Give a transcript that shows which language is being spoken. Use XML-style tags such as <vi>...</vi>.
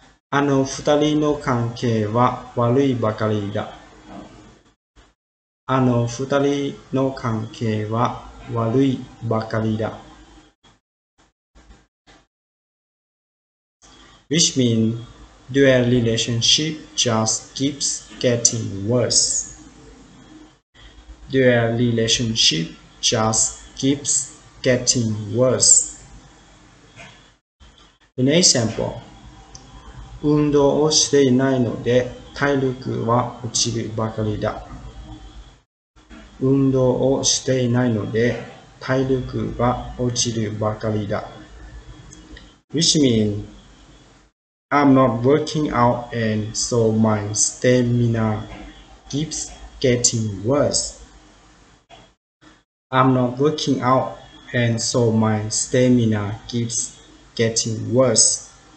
<ja>あの二人の関係は悪いばかりだ。あの二人の関係は悪いばかりだ。</ja> <en>Which means their relationship just keeps getting worse. Their relationship just keeps getting worse. The next example.</en> <ja>運動をしていないので体力は落ちるばかりだ。運動をしていないので体力は落ちるばかりだ。</ja> <en>Which means, I'm not working out and so my stamina keeps getting worse. I'm not working out, and so my stamina keeps getting worse.</en>